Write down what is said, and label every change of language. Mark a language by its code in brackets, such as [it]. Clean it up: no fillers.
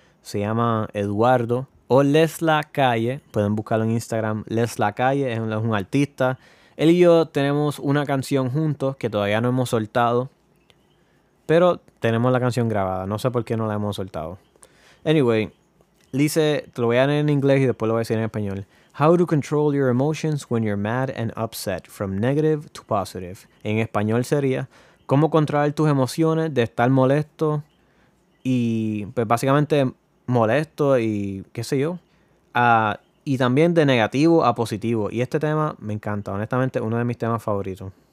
[es] Se llama Eduardo o Les La Calle. Pueden buscarlo en Instagram. Les La Calle es un artista. Él y yo tenemos una canción juntos que todavía no hemos soltado. Pero tenemos la canción grabada. No sé por qué no la hemos soltado. Anyway, dice, te lo voy a leer en inglés y después lo voy a decir en español. [en] How to control your emotions when you're mad and upset, from negative to positive. [es] En español sería, cómo controlar tus emociones de estar molesto y, pues básicamente, molesto y qué sé yo. Y también de negativo a positivo. Y este tema me encanta, honestamente, uno de mis temas favoritos.